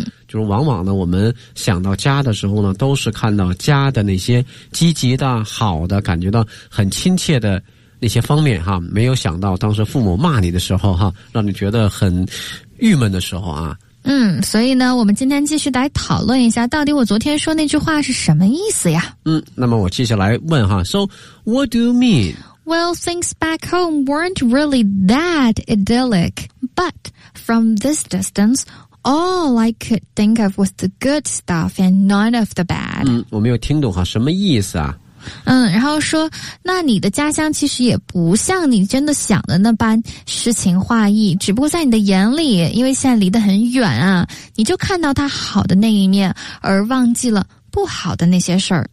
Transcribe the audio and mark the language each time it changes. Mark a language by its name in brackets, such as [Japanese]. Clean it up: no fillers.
[Chinese] 啊，就是往往呢我们想到家的时候呢都是看到家的那些积极的好的感觉到很亲切的那些方面哈，没有想到当时父母骂你的时候哈，让你觉得很郁闷的时候啊。嗯，所以呢我们今天继续来讨论一下到底我昨天说那句话是什么意思呀。嗯，那么我接下来问哈， [English] So what do you mean? Well, things back home weren't really that idyllic, but from this distance, all I could think of was the good stuff and none of the bad. [Chinese] 嗯，我没有听懂哈，什么意思啊。嗯，然后说那你的家乡其实也不像你真的想的那般诗情画意，只不过在你的眼里因为现在离得很远啊，你就看到它好的那一面而忘记了不好的那些事儿。